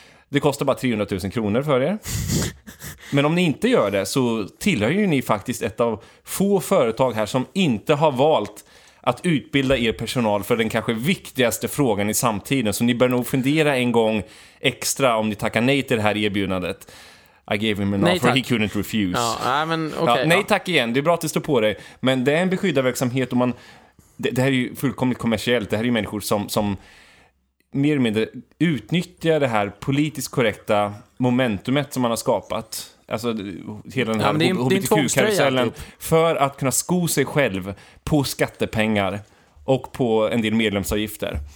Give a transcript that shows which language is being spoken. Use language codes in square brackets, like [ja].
[sv] Det kostar bara 300 000 kronor för er. Men om ni inte gör det så tillhör ju ni faktiskt ett av få företag här som inte har valt att utbilda er personal för den kanske viktigaste frågan i samtiden. Så ni bör nog fundera en gång extra om ni tackar nej till det här erbjudandet. [en] I gave him an offer, he couldn't refuse. [sv] Ja, men, okay, nej tack igen, det är bra att det står på dig. Men det är en beskyddarverksamhet och man det här är ju fullkomligt kommersiellt. Det här är ju människor som mer eller mindre utnyttjar det här politiskt korrekta momentumet som man har skapat. Alltså hela den här HBTQ-karusellen för att kunna sko sig själv på skattepengar och på en del medlemsavgifter.